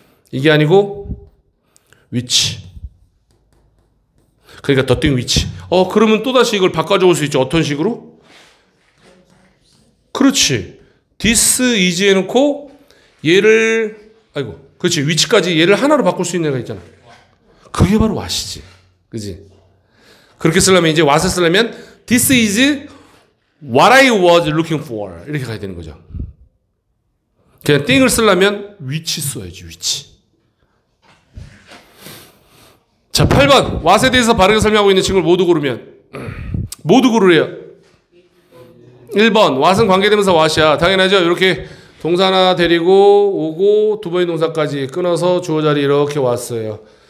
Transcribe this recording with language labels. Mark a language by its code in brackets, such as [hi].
[ko] 이게 아니고 위치. 그러니까 더 띵 위치. 어 그러면 또다시 이걸 바꿔줄 수 있죠. 어떤 식으로? 그렇지. This is 해놓고 얘를 아이고 그렇지 위치까지 얘를 하나로 바꿀 수 있는 애가 있잖아. 그게 바로 what이지. 그지? 그렇게 쓰려면 이제 what을 쓰려면 [en] This is what I was looking for. [ko] 이렇게 가야 되는 거죠. 그냥 띵을 쓰려면 위치 써야지 위치. 자, 8번. What에 대해서 바르게 설명하고 있는 친구를 모두 고르면. 모두 고르래요. 1번. What은 관계되면서 What이야. 당연하죠. 이렇게 동사 하나 데리고 오고 두 번의 동사까지 끊어서 주어 자리 이렇게 왔어요.